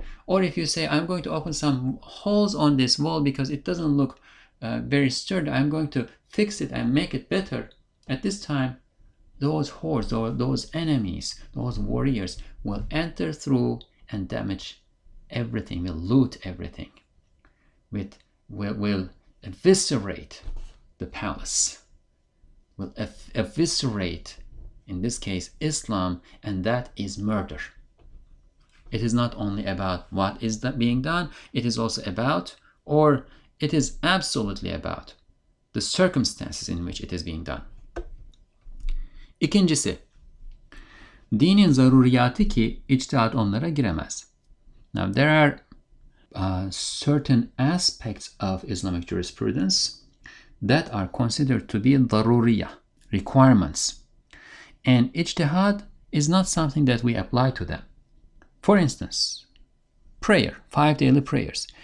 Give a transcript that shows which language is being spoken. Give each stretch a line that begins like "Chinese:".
English: Or if you say, I'm going to open some holes on this wall because it doesn't look very sturdy, I'm going to fix it and make it better at this time, those hordes, those enemies, those warriors will enter through and damage everything, will loot everything, will eviscerate the palace, will eviscerate, in this case, Islam, and that is murder. It is not only about what is that being done, it is also about, or it is absolutely about, the circumstances in which it is being done.
Turkish: İkincisi, dinin zaruriyatı ki içtihat onlara giremez.
English: Now, there are certain aspects of Islamic jurisprudence that are considered to be zaruriya, requirements. And içtihat is not something that we apply to them. For instance, prayer, 5 daily prayers.